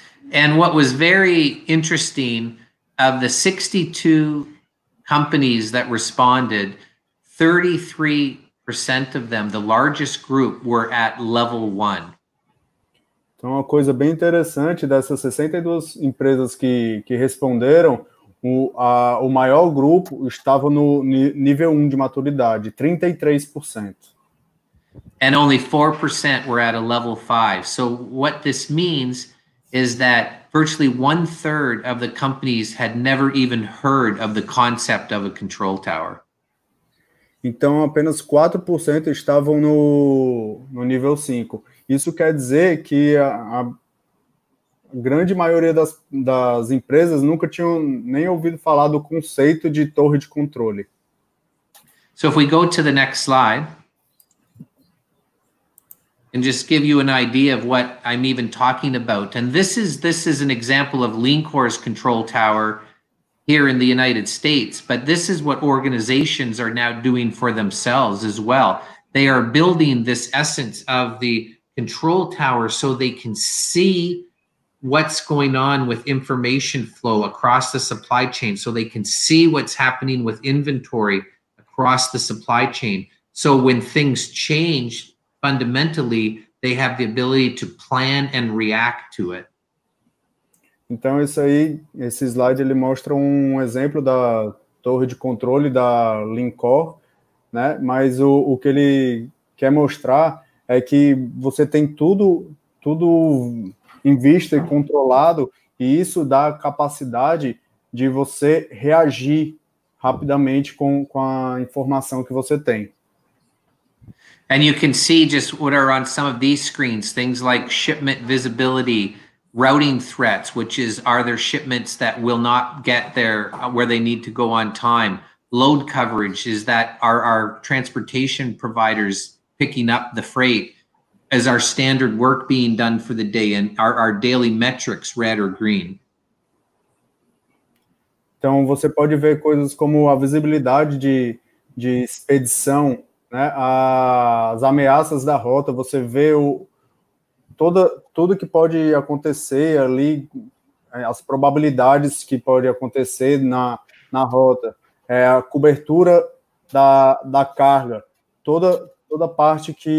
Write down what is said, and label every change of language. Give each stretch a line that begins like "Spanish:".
English: And what was very interesting, of the 62 companies that responded, 33% of them, the largest group, were at level 1.
Portuguese: Então, uma coisa bem interessante dessas 62 empresas que responderam, o maior grupo estava no nível 1 de maturidade, 33%.
English: And only 4% were at a level 5. So what this means is that virtually one third of the companies had never even heard of the concept of a control tower.
Portuguese: Então, apenas 4% estavam no nível 5. Isso quer dizer que a grande maioria das empresas nunca tinham nem ouvido falar do conceito de torre de controle.
English: So if we go to the next slide, and just give you an idea of what I'm even talking about. And this is an example of Linkor's control tower here in the United States, but this is what organizations are now doing for themselves as well. They are building this essence of the control tower so they can see what's going on with information flow across the supply chain, so they can see what's happening with inventory across the supply chain. So when things change fundamentally, they have the ability to plan and react to it.
Portuguese: Então, esse slide, ele mostra um exemplo da torre de controle da Linkor, né? Mas o que ele quer mostrar é que você tem tudo em vista e controlado, e isso dá a capacidade de você reagir rapidamente com a informação que você tem.
English: And you can see just what are on some of these screens, things like shipment visibility, routing threats, which is, are there shipments that will not get there where they need to go on time? Load coverage, is that are transportation providers picking up the freight? Is our standard work being done for the day? And are our daily metrics red or green?
Portuguese: Então, você pode ver coisas como a visibilidade de expedição, né? As ameaças da rota, você vê tudo que pode acontecer ali, as probabilidades que pode acontecer na rota, a cobertura da carga, toda parte